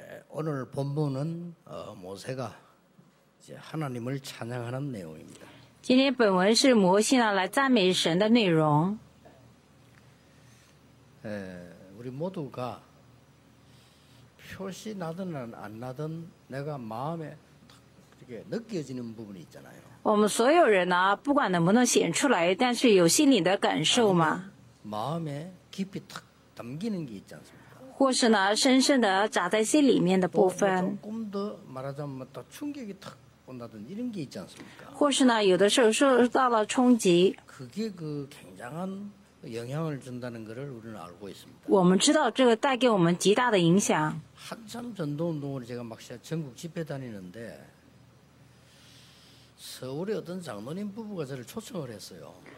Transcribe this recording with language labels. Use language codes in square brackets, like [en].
[ko] 오늘 본문은 모세가 이제 하나님을 찬양하는 내용입니다. 오늘 본문은 모세가 찬양하는 내용입니다. 우리 모두가 표시 나든 안 나든 내가 마음에 이렇게 느껴지는 부분이 있잖아요. [zh] 我们所有人呢，不管能不能显出来，但是有心里的感受嘛。 [ko] 마음에 깊이 탁 담기는 게 있지 않습니까? [zh] 或是呢，深深的扎在心里面的部分。 [ko] 조금 더 말하자면 더 충격이 탁 온다든 이런 게 있지 않습니까? [zh] 或是呢，有的时候受到了冲击。 [ko] 그게 그 굉장한 영향을 준다는 것을 우리는 알고 있습니다. [zh] 我们知道这个带给我们极大的影响。 [ko] 한참 전도 운동을 제가 막 시작 전국 집회 다니는데. 서울의 어떤 장로님 부부가 저를 초청을 했어요.